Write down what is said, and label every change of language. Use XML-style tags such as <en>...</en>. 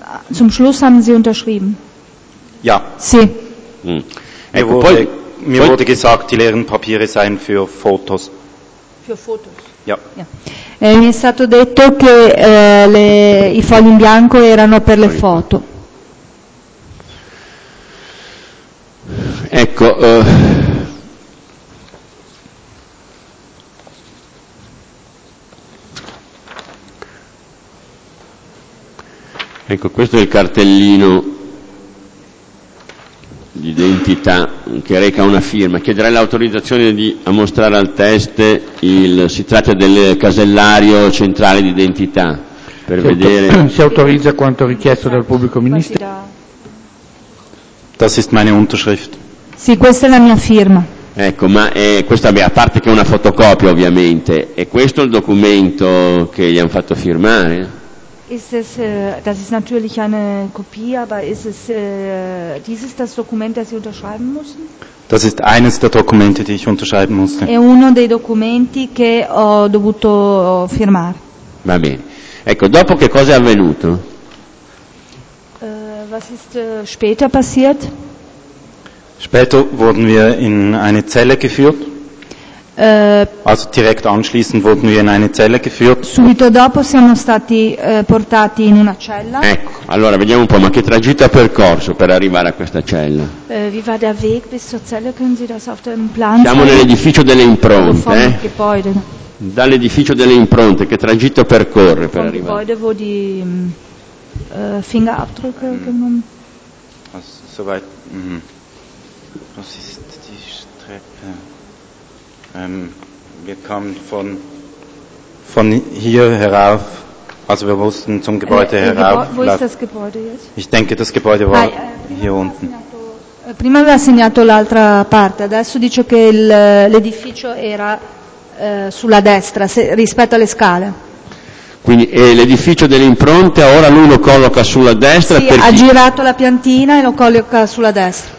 <de>Zum Schluss haben Sie unterschrieben? Ja.</de> <it>Sì. Mm. Ecco,</it> <de>mir wurde gesagt, die leeren Papiere seien für Fotos. Für Fotos? Ja. Ja.</de> <it>Mi è stato detto che i fogli in bianco erano per le foto. Ecco. Ecco, questo è il cartellino d'identità che reca una firma. Chiederei l'autorizzazione a mostrare al test si tratta del casellario centrale d'identità per vedere. Si autorizza quanto richiesto dal pubblico ministero.</it> <de>Das ist meine Unterschrift.</de> <it>Sì, questa è la mia firma. Ecco, ma questa, a parte che è una fotocopia ovviamente, è questo il documento che gli hanno fatto firmare?</it> <de>Ist es, das ist natürlich eine Kopie, aber ist es dieses das Dokument, das Sie unterschreiben mussten? Das ist eines der Dokumente, die ich unterschreiben musste.</de> <it>È uno dei documenti che ho dovuto firmare. Va bene. Ecco, dopo che cosa è avvenuto?</it> <de>Was ist später passiert? Später wurden wir in eine Zelle geführt. Also direkt anschließend wurden wir in eine Zelle geführt.</de> <it>Subito dopo siamo stati portati in una cella. Ecco, allora vediamo un po', ma che tragitto ha percorso per arrivare a questa cella?</it> <de>Wie war der Weg bis zur Zelle? Können Sie das auf dem Plan?</de> <it>Siamo nell'edificio delle impronte. Dall'edificio delle impronte, che tragitto percorre per arrivare?</it> <de>Vom Gebäude, wo die Fingerabdrücke genommen. Soweit. Was ist die Strecke? Wir kamen von hier herauf, also wir mussten zum Gebäude herauf. Wo ist das Gebäude jetzt? Ich denke, das Gebäude war hier unten.</de> <it>Prima aveva segnato l'altra parte, adesso dice che l'edificio era sulla destra, rispetto alle scale. Quindi l'edificio delle impronte ora lui lo colloca sulla destra. Sì, ha girato la piantina e lo colloca sulla destra.</it>